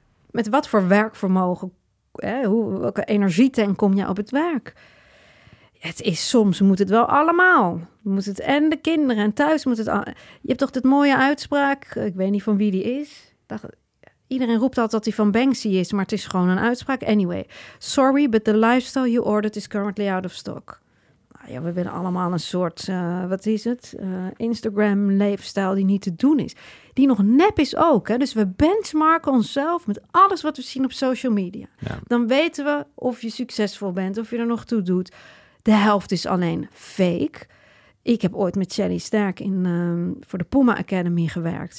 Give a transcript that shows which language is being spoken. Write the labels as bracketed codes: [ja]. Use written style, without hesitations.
[nl] Met wat voor werkvermogen, welke energietank kom je op het werk? Het is soms, moet het wel allemaal. Moet het en de kinderen en thuis moet het. Je hebt toch dat mooie uitspraak, ik weet niet van wie die is. Iedereen roept altijd dat hij van Banksy is, maar het is gewoon een uitspraak. [en] Anyway, sorry, but the lifestyle you ordered is currently out of stock. [nl] Nou ja, we willen allemaal een soort, Instagram-leefstijl die niet te doen is. Die nog nep is ook. Hè? Dus we benchmarken onszelf met alles wat we zien op social media. Ja. Dan weten we of je succesvol bent, of je er nog toe doet. De helft is alleen fake. Ik heb ooit met Shelly Sterk voor de Puma Academy gewerkt.